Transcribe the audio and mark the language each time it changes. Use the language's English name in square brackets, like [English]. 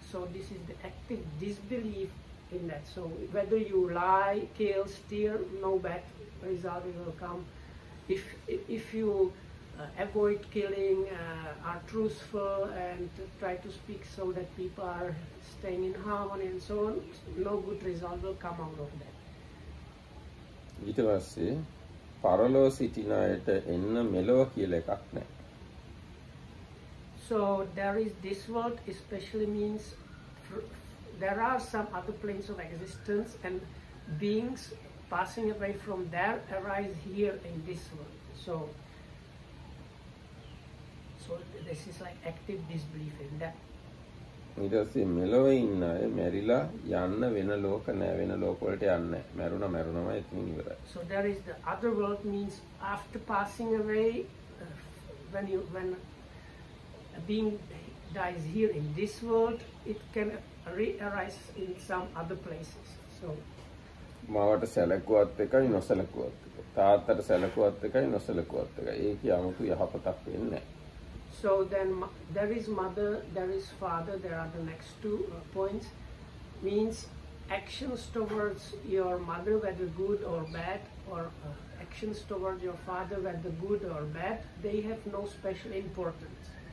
[English] So this is the active disbelief in that. So whether you lie, kill, steal, no bad result will come. If you avoid killing, are truthful and try to speak so that people are staying in harmony and so on, no good result will come out of that. It was see. [Sinhala] පරලෝ සිටින අයට එන්න මෙලව කියලා එකක් නැහැ. [English] So there is this world especially means there are some other planes of existence and beings passing away from there arise here in this world. So this is like active disbelief in that. [Sinhala] ඊටසේ මෙලව ඉන්න අය මැරිලා යන්න වෙන ලෝක නැ වෙන ලෝක වලට යන්නේ නැ මැරුණා මැරුණම එතනින් ඉවරයි. [English] So there is the other world means after passing away when a being dies here in this world it can re-arise in some other places. So [Sinhala] මාවට සැලකුවත් එකයි නොසැලකුවත් එකයි තාත්තට සැලකුවත් එකයි නොසැලකුවත් එකයි ඒක යමුතු යහපතක් වෙන්නේ නැහැ. [English] So then there is mother, there is father, there are the next two points. Means actions towards your mother, whether good or bad, or actions towards your father, whether good or bad, they have no special importance.